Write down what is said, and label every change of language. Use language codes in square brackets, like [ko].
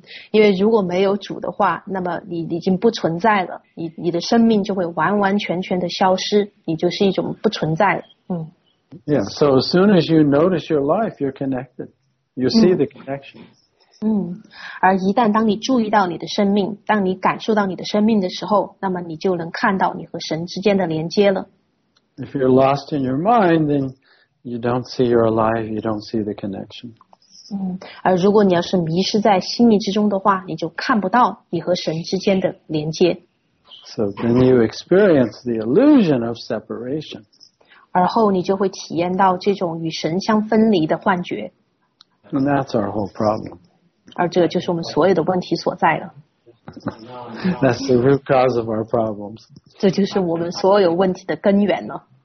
[zh] 因为如果没有主的话，那么你已经不存在了。你的生命就会完完全全的消失。你就是一种不存在了。 [en] Yeah, so as soon as you notice your life, you're connected. You see the connection. [zh] 而一旦当你注意到你的生命，当你感受到你的生命的时候，那么你就能看到你和神之间的连接了。 [en] If you're lost in your mind, then you don't see you're alive, you don't see the connection. [zh] 而如果你要是迷失在心意之中的话，你就看不到你和神之间的连接。 [en] So then you experience the illusion of separation. [zh] 而后你就会体验到这种与神相分离的幻觉。 [en] And that's our whole problem. [zh] 而这就是我们所有的问题所在了。 [en] That's the root cause of our problems. [zh] 这就是我们所有问题的根源了。